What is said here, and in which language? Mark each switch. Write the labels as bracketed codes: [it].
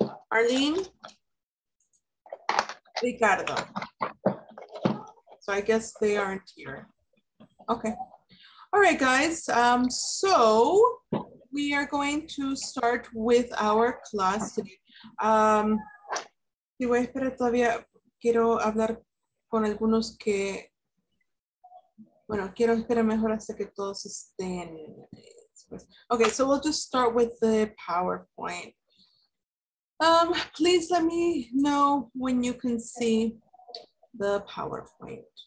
[en] Arlene? Ricardo? So I guess they aren't here. Okay. All right, guys. So we are going to start with our class today. [es] Si voy a esperar todavía, quiero hablar con algunos que, bueno, quiero esperar mejor hasta que todos estén. [en] Okay, so we'll just start with the PowerPoint. Please let me know when you can see the PowerPoint.